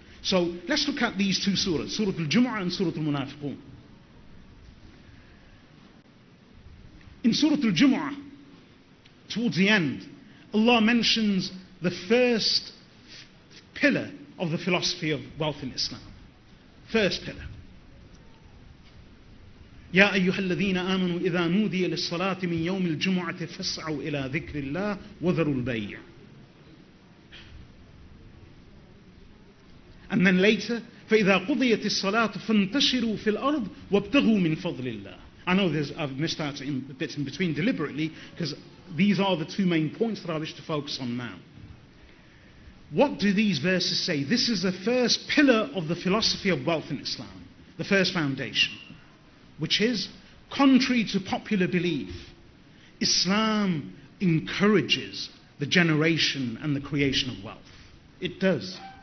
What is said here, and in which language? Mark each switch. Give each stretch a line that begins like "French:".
English: So let's look at these two surahs, Surah Al-Jum'ah and Surah Al-Munafiqun. In Surah Al-Jum'ah, towards the end, Allah mentions the first pillar of the philosophy of wealth in Islam. First pillar.
Arabic: يا أيها الذين آمنوا إذا نودي للصلاة من يوم الجمعة فاسعوا إلى ذكر الله وذروا البيع.
English: And then later,
Arabic: فإذا قضيت الصلاة فانتشروا في الأرض وابتغوا من فضل الله.
English: I know I've missed out a bit in between deliberately, because these are the two main points that I wish to focus on now. What do these verses say? This is the first pillar of the philosophy of wealth in Islam, the first foundation, which is, contrary to popular belief, Islam encourages the generation and the creation of wealth. It does.